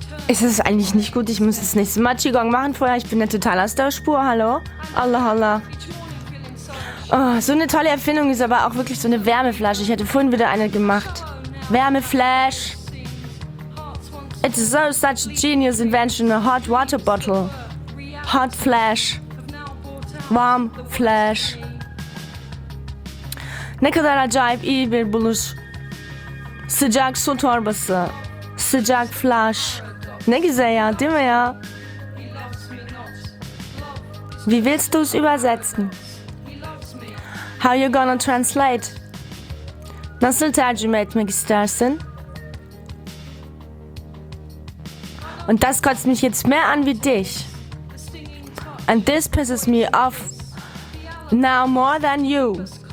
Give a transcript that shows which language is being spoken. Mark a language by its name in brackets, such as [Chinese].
[German] Ist es eigentlich nicht gut? Ich muss das nächste Mal Qigong machen vorher. Ich bin ja total aus der Spur. Hallo? Allah, Allah. Oh, so eine tolle Erfindung ist aber auch wirklich so eine Wärmeflasche. Ich hätte vorhin wieder eine gemacht. Wärmeflash. [English] It's so such a genius invention. A hot water bottle. Hot flash. Warm flash. [Turkish] Ne kadar acayip iyi bir buluş. Sıcak su torbası. Sıcak [English] flash. [Turkish] Ne güzel ya, değil mi ya? [German] Wie willst du es übersetzen? [English] How you gonna translate? [Turkish] Nasıl tercüme etmek istersin? [German] Und das kotzt mich jetzt mehr an wie dich. [English] And this pisses me off now more than you.